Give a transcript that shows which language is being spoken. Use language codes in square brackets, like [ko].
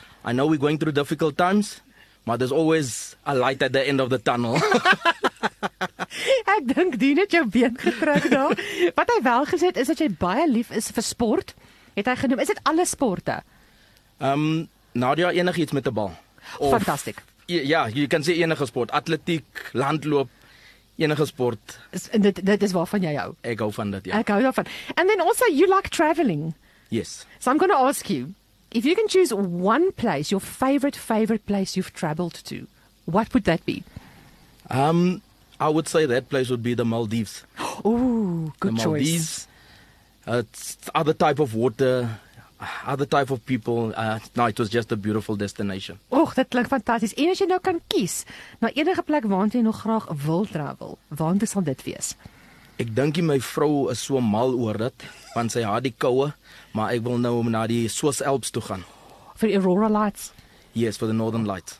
[en] I know we're going through difficult times, [af] maar [en] there's always a light at the end of the tunnel. [af] Ek dink Dien het jou been gekruk daar. Wat hy wel gesê het, is dat jy baie lief is vir sport. Het hy genoem, is dit alle sporte? Nadia, enig iets met die bal. Fantastisch. Ja, jy kan sê enige sport. Atletiek, landloop, enige sport. Dit is waarvan jy hou. Ek hou van dit, ja. Ek hou daarvan. [en] And then also, you like traveling. Yes. So I'm going to ask you, if you can choose one place, your favorite place you've traveled to, what would that be? I would say that place would be the Maldives. Ooh, good choice. The Maldives. It's other type of water, other type of people. It was just a beautiful destination. [af] Och, dit klink fantasties. En as jy nou kan kies, na enige plek waartoe jy nog graag wil travel, waartoe sal dit wees? Ek dink my vrou is so mal oor dit, want sy haat die koue, maar ek wil nou na die Swiss Alps toe gaan. Vir Aurora Lights? [en] Yes, for the Northern Lights.